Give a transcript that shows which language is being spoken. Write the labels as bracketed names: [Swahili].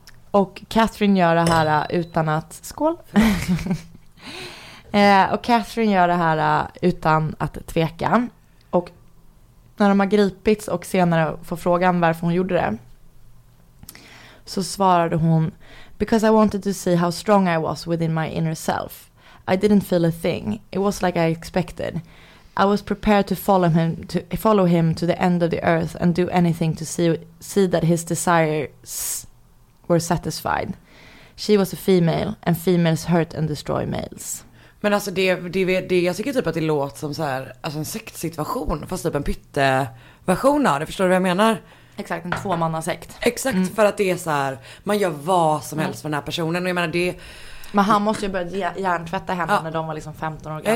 [Swedish] Och Catherine gör det här utan att... Skål! och Catherine gör det här utan att tveka. Och när de har gripits och senare får frågan varför hon gjorde det så svarade hon... [English] Because I wanted to see how strong I was within my inner self. I didn't feel a thing. It was like I expected. I was prepared to follow him to the end of the earth and do anything to see that his desires were satisfied. She was a female and females hurt and destroy males. [Swedish] Men alltså det jag tycker typ att det låter som så här, alltså en sektsituation fast typ en pytte version av det, förstår du vad jag menar? Exakt, en tvåmannasekt. Exakt, för att det är så här, man gör vad som helst för den här personen. Och jag menar, det... Men han måste ju börja hjärntvätta henne när de var liksom 15 år gamla.